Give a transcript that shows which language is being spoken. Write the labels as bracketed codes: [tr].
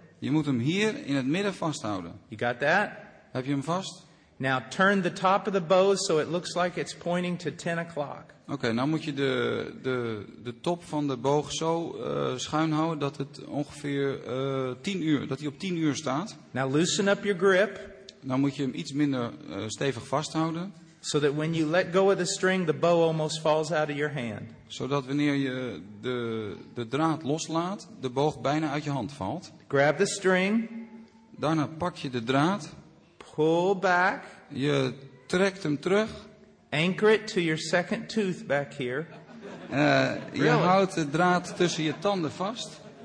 [nl] Je moet hem hier in het midden vasthouden. [en] You got that? [nl] Heb je hem vast? [en] Now turn the top of the bow so it looks like it's pointing to 10 o'clock. [nl] Oké, nou moet je de top van de boog zo schuin houden dat het ongeveer 10 uur, dat hij op 10 uur staat. [en] Now loosen up your grip. [nl] Nou moet je hem iets minder stevig vasthouden. [en] So that when you let go of the string, the bow almost falls out of your hand. [nl] Zodat wanneer je de draad loslaat, de boog bijna uit je hand valt. [en] Grab the string. [nl] Daarna pak je de draad. [en] Pull back. [nl] Je trekt hem terug. [en] Anchor it to your second tooth back here. [nl] Je houdt de draad tussen je tanden vast.